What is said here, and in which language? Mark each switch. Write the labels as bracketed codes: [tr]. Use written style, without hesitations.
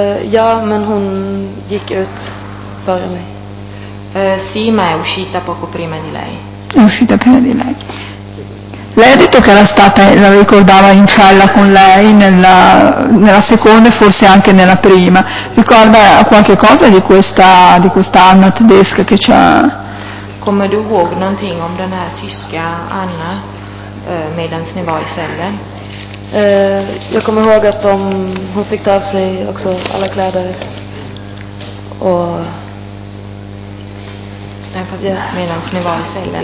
[sv] Ja, men hon gick ut före mig. [it] Sì, ma è uscita poco prima di lei. È uscita prima di lei. Lei ha detto che era stata, la ricordava in cella con lei nella seconda e forse anche nella prima. Ricorda qualche cosa di questa Anna tedesca che c'ha? [sv] Come du ihåg någonting om den här tyska Anna medan ni var i cellen? Jag kommer ihåg att hon fick ta av sig också alla kläder och medan ni var i cellen.